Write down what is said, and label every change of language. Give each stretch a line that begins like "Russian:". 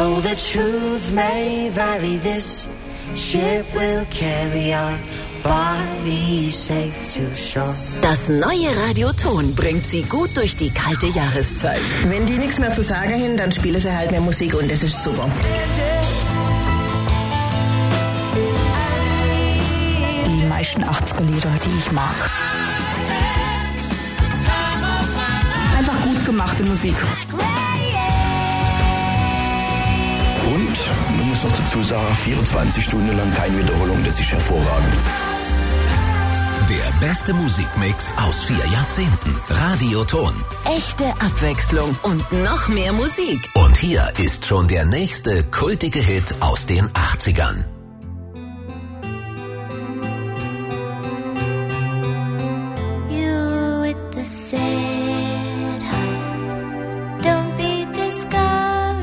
English: the truth may vary, this ship will carry our body safe to shore.
German: Das neue Radio Ton bringt sie gut durch die kalte Jahreszeit. Wenn die nichts mehr zu sagen haben, dann spielen sie halt mehr Musik und das ist super. Die meisten 80er Lieder, die ich mag. Einfach gut gemachte Musik. Und, du musst noch dazu sagen, 24 Stunden lang keine Wiederholung, das ist hervorragend. Der beste Musikmix aus 4 Jahrzehnten. Radioton. Echte Abwechslung und noch mehr Musik. Und hier ist schon der nächste kultige Hit aus den 80ern.
English: You with the sad heart. Don't be discouraged.